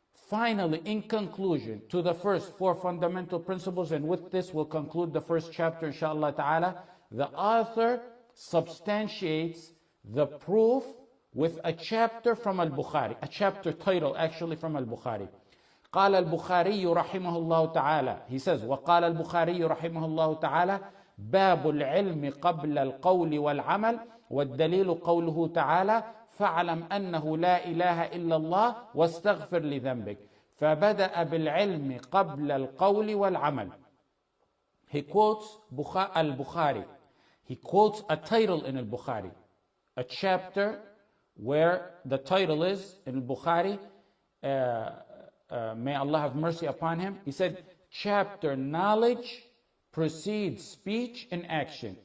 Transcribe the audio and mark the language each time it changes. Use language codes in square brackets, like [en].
[en] Finally, in conclusion to the first four fundamental principles, and with this we'll conclude the first chapter, inshallah ta'ala, the author substantiates the proof with a chapter from Al-Bukhari, a chapter title actually from Al-Bukhari. [ar] قال البخاري رحمه الله تعالى. [en] He says, [ar] وقال البخاري رحمه الله تعالى باب العلم قبل القول والعمل والدليل قوله تعالى فاعلم أنه لا إله إلا الله واستغفر لذنبك. فبدأ بالعلم قبل القول والعمل. [en] He quotes البخاري. He quotes a title in البخاري, a chapter where the title is in البخاري. May Allah have mercy upon him. He said, chapter knowledge precedes speech and action.